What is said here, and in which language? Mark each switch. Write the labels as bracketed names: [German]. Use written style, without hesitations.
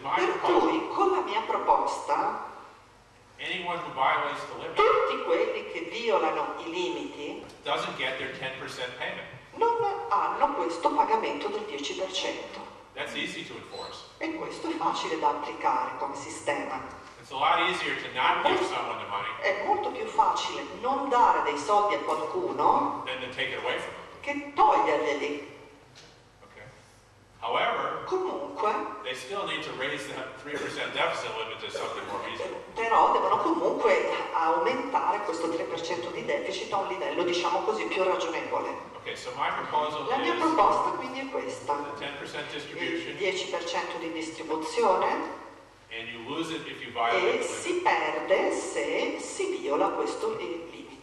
[Italian] per cui, con la mia proposta, [English] anyone who violates the limit, [Italian] tutti quelli che violano i limiti [English] doesn't get their 10% payment. [Italian] Non hanno questo pagamento del 10%. [English] That's easy to enforce. [Italian] E questo è facile da applicare come sistema. [English] It's a lot easier to not give someone the money. [Italian] È molto più facile non dare dei soldi a qualcuno [English] than to take it away from [Italian] che toglierli. [English] Okay. However, [Italian] comunque, [English] they still need to raise the 3% deficit limit to something more reasonable. [Italian] Però devono comunque aumentare questo 3% di deficit a un livello, diciamo così, più ragionevole. [English] Okay, so my proposal [Italian] La mia proposta quindi è questa. [English] The 10% distribution. [Italian] Il 10% di distribuzione. [English] And you lose it if you violate [Italian] e si perde se si viola questo limite.